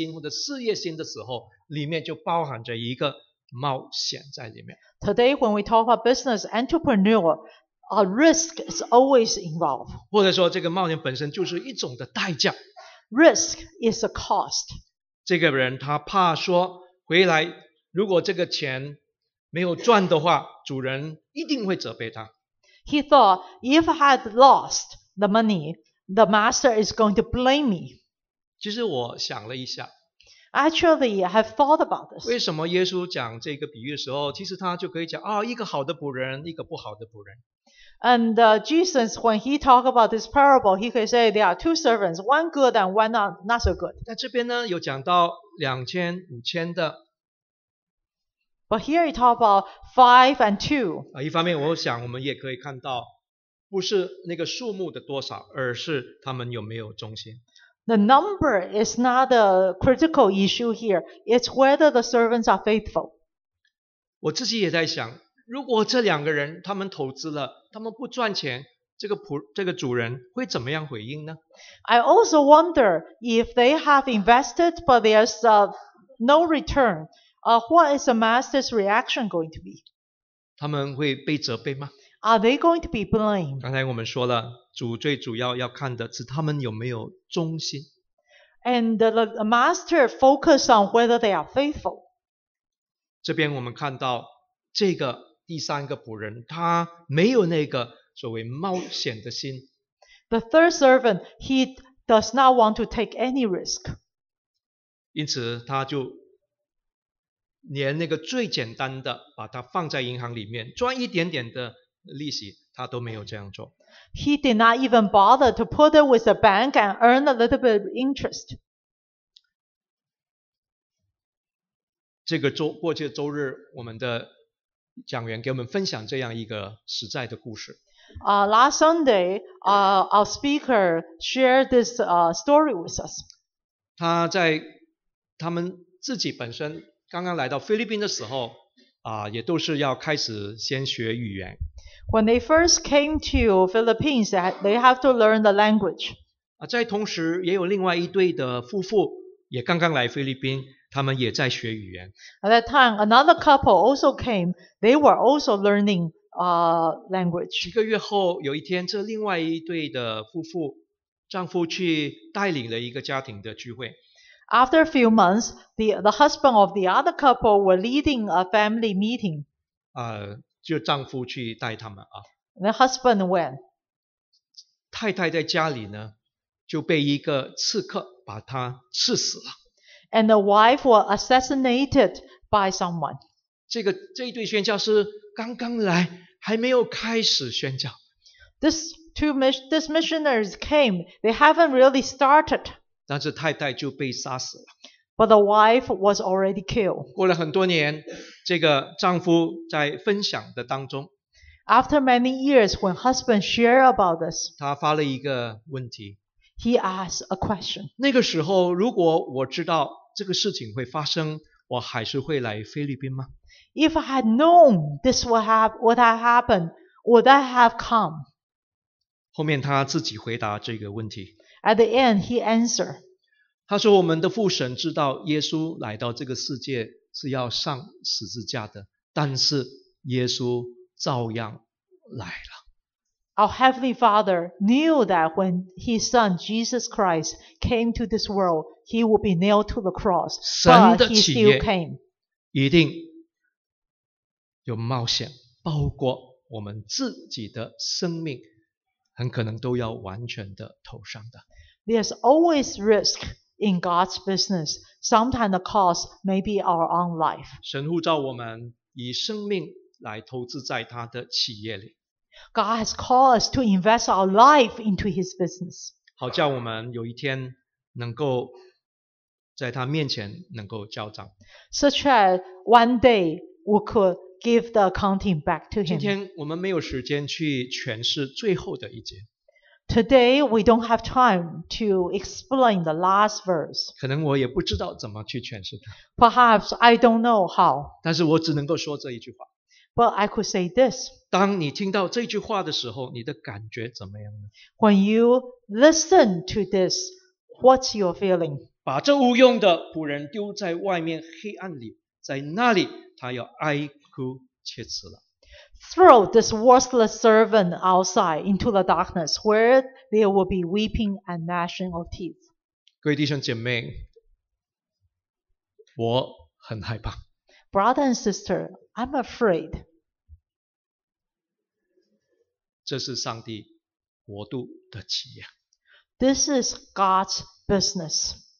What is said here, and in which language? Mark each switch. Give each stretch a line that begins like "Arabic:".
Chinese: 就今天当我们讲到企业或者企业心或者事业心的时候, 里面就包含着一个冒险在里面。
English: Today, when we talk about business entrepreneur, a risk is always involved.
Chinese: 或者说这个冒险本身就是一种的代价。
English: Risk is a cost.
Chinese: 这个人他怕说, 回来, 如果这个钱没有赚的话, 主人一定会责备他。
English: He thought, if I had lost the money, the master is going to blame me.
Chinese: 其实我想了一下。
English: Actually, I have thought about this.
Chinese: 为什么耶稣讲这个比喻的时候, 其实他就可以讲, 啊, 一个好的仆人, 一个不好的仆人。
English: And Jesus, when he talked about this parable, he could say there are two servants, one good and one not so good.
Chinese: 那这边呢, 有讲到两千五千的,
English: But here you talk about 5 and 2.
Chinese: 一方面我想我们也可以看到不是那个数目的多少，而是他们有没有忠心。
English: The number is not a critical issue here. It's whether the servants are faithful.
Chinese: 我自己也在想，如果这两个人他们投资了，他们不赚钱，这个主人会怎么样回应呢？
English: I also wonder if they have invested but there's no return. What is the master's reaction going to be?
Chinese: 他们会被责备吗？
English: Are they going to be blamed?
Chinese: 刚才我们说了，主最主要要看的是他们有没有忠心。
English: And the master focus on whether they are faithful.
Chinese: 这边我们看到这个第三个仆人，他没有那个所谓冒险的心。
English: The third servant, he does not want to take any risk.
Chinese: 因此他就连那个最简单的把它放在银行里面，赚一点点的利息他都没有这样做。
English: He did not even bother to put it with the bank and earn a little bit of interest.
Chinese: 这个周过去的周日我们的讲员给我们分享这样一个实在的故事。
English: Last Sunday, our speaker shared this story with us.
Chinese: 他在他们自己本身刚刚来到菲律宾的时候也都是要开始先学语言。
English: When they first came to Philippines, they have to learn the language.
Chinese: 在同时也有另外一对的夫妇也刚刚来菲律宾，他们也在学语言。
English: At that time, another couple also came. They were also learning language.
Chinese: 几个月后，有一天，这另外一对的夫妇，丈夫去带领了一个家庭的聚会。
English: After a few months, the husband of the other couple were leading a family meeting.
Chinese: 就丈夫去带他们
English: The husband went.
Chinese: 太太在家里呢，就被一个刺客把她刺死了。
English: And the wife was assassinated by someone.
Chinese: 这一对宣教师刚刚来，还没有开始宣教。
English: This missionaries came. They haven't really started.
Chinese: 但是太太就被杀死了。
English: But the wife was already killed.
Chinese: 过了很多年，这个丈夫在分享的当中。
English: After many years, when husband shared about this,
Chinese: 他发了一个问题。
English: He asked a question.
Chinese: 那个时候，如果我知道这个事情会发生，我还是会来菲律宾吗？
English: If I had known this would have happened, would I have come?
Chinese: 后面他自己回答这个问题。
English: At the end, he answered.
Chinese: 他说，我们的父神知道耶稣来到这个世界是要上十字架的，但是耶稣照样来了。
English: Our Heavenly Father knew that when His Son Jesus Christ came to this world, He would be nailed to the cross, but He still came.
Chinese: 一定有冒险，包括我们自己的生命，很可能都要完全的投上的。
English: There's always risk. In God's business, sometimes the cost may be our own life.
Chinese: 神呼召我们以生命来投资在他的企业里。
English: God has called us to invest our life into His business.
Chinese: 好叫我们有一天能够在他面前能够交账。
English: Such that one day we could give the accounting back to Him.
Chinese: 今天我们没有时间去诠释最后的一节。
English: Today, we don't have time to explain the last verse.
Chinese: 可能我也不知道怎么去诠释它。
English: Perhaps I don't know how.
Chinese: 但是我只能够说这一句话。
English: But I could say this.
Chinese: 当你听到这句话的时候，你的感觉怎么样呢？
English: When you listen to this, what's your feeling?
Chinese: 把这无用的仆人丢在外面黑暗里，在那里他要哀哭切齿了。
English: Throw this worthless servant outside into the darkness where there will be weeping and gnashing of teeth.
Chinese: 各位弟兄姐妹，我很害怕。
English: Brother and sister, I'm afraid.
Chinese: 这是上帝国度的企业。
English: This is God's business.